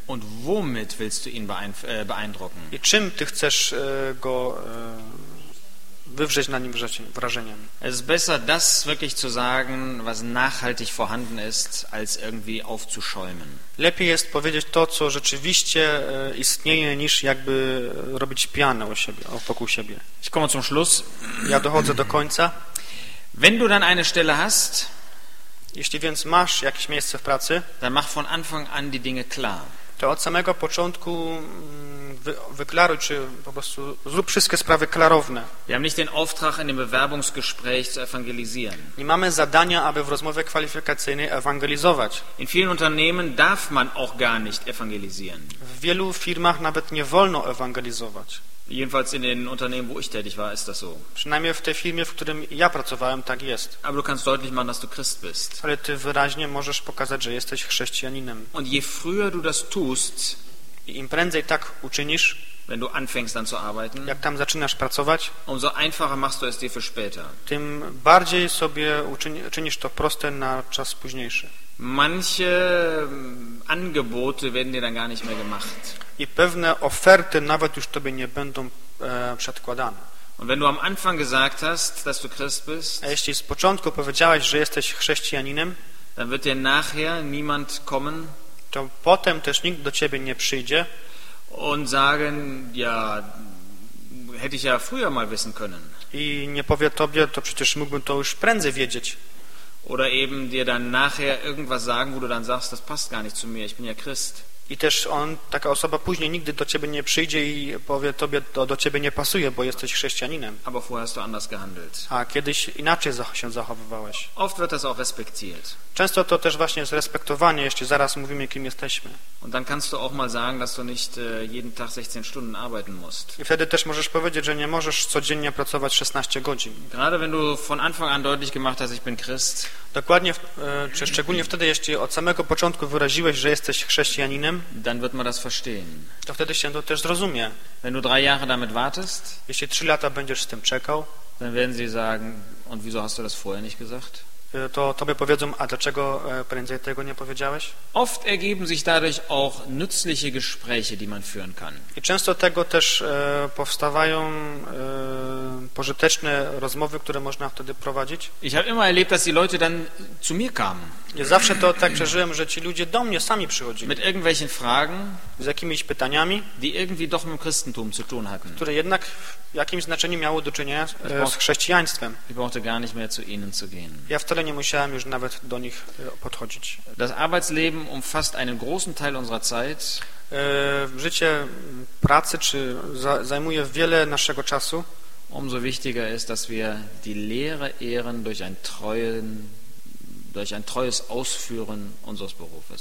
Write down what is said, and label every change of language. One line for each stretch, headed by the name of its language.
German: Und womit willst du ihn beeindrucken?
Polish: I czym ty chcesz go wywrzeć na nim wrażenie?
German: Es ist besser, das wirklich zu sagen, was nachhaltig vorhanden ist, als irgendwie aufzuschäumen.
Polish: Lepiej jest powiedzieć to, co rzeczywiście istnieje, niż jakby robić pianę o siebie, wokół siebie.
German: Ich komme zum Schluss.
Polish: Ja dochodzę do końca.
German: Wenn du dann eine Stelle hast,
Polish: jeśli więc masz jakieś miejsce w pracy,
German: dann mach von Anfang an die Dinge klar.
Polish: To od samego początku wyklaruj, czy po prostu zrób wszystkie sprawy klarowne.
German: Wir haben nicht den Auftrag, in dem Bewerbungsgespräch zu evangelisieren.
Polish: Nie mamy zadania, aby w rozmowie kwalifikacyjnej ewangelizować.
German: In vielen Unternehmen darf man auch gar nicht evangelisieren.
Polish: W wielu firmach nawet nie wolno ewangelizować.
German: Jedenfalls in den Unternehmen, wo ich tätig war, ist das so.
Polish: Przynajmniej w tej firmie, w którym ja pracowałem, tak jest.
German: Aber du kannst deutlich machen, dass du Christ bist.
Polish: Ale ty wyraźnie możesz pokazać, że jesteś chrześcijaninem.
German: Und je früher du das tust,
Polish: i im prędzej tak uczynisz,
German: wenn du anfängst dann zu arbeiten,
Polish: jak tam zaczynasz pracować,
German: umso einfacher machst du es dir für später.
Polish: Tym bardziej sobie czynisz to proste na czas późniejszy.
German: Manche Angebote werden dir dann gar nicht mehr gemacht.
Polish: I pewne oferty nawet już tobie nie będą przedkładane.
German: Und wenn du am Anfang gesagt hast, dass du Christ bist,
Polish: a jeśli z początku powiedziałeś, że jesteś chrześcijaninem,
German: dann wird dir nachher niemand kommen,
Polish: to potem też nikt do ciebie nie przyjdzie
German: und sagen, ja, hätte ich ja früher mal wissen können.
Polish: I nie powie tobie, to przecież mógłbym to już prędzej wiedzieć.
German: Oder eben dir dann nachher irgendwas sagen, wo du dann sagst, das passt gar nicht zu mir, ich bin ja Christ.
Polish: I też on, taka osoba później nigdy do ciebie nie przyjdzie i powie tobie, to do ciebie nie pasuje, bo jesteś chrześcijaninem.
German: Aber vorher hast du anders gehandelt.
Polish: A kiedyś inaczej się zachowywałeś.
German: Oft wird das auch respektiert.
Polish: Często to też właśnie jest respektowanie, jeśli zaraz mówimy, kim jesteśmy.
German: Und dann kannst du auch mal sagen, dass du nicht jeden Tag 16 Stunden arbeiten musst.
Polish: I wtedy też możesz powiedzieć, że nie możesz codziennie pracować 16 godzin.
German: Gerade wenn du von Anfang an deutlich gemacht hast, ich bin Christ.
Polish: Dokładnie, czy szczególnie wtedy, jeśli od samego początku wyraziłeś, że jesteś chrześcijaninem,
German: dann wird man das verstehen.
Polish: To wtedy się to też zrozumie.
German: Wenn du 3 Jahre damit wartest,
Polish: jeśli 3 lata będziesz z tym czekał,
German: dann werden sie sagen, und wieso hast du das vorher nicht gesagt?
Polish: To tobie powiedzą, a dlaczego prędzej tego nie powiedziałeś?
German: Oft ergeben sich dadurch auch nützliche Gespräche, die man führen kann.
Polish: I często tego też powstawają pożyteczne rozmowy, które można wtedy prowadzić.
German: Ich habe immer erlebt, dass die Leute dann zu mir kamen.
Polish: Ja zawsze to tak przeżyłem, że ci ludzie do mnie sami przychodzili.
German: Mit irgendwelchen Fragen,
Polish: z jakimiś pytaniami,
German: die irgendwie doch mit Christentum zu tun hatten.
Polish: Które jednak w jakimś znaczeniu miało do czynienia z chrześcijaństwem.
German: Ich brauchte gar nicht mehr zu ihnen zu gehen.
Polish: Ja wcale nie musiałem już nawet do nich podchodzić.
German: Das Arbeitsleben umfasst einen großen Teil unserer Zeit.
Polish: Życie pracy czy zajmuje wiele naszego czasu.
German: Umso wichtiger ist, dass wir die Lehre ehren durch ein treues Ausführen unseres Berufes.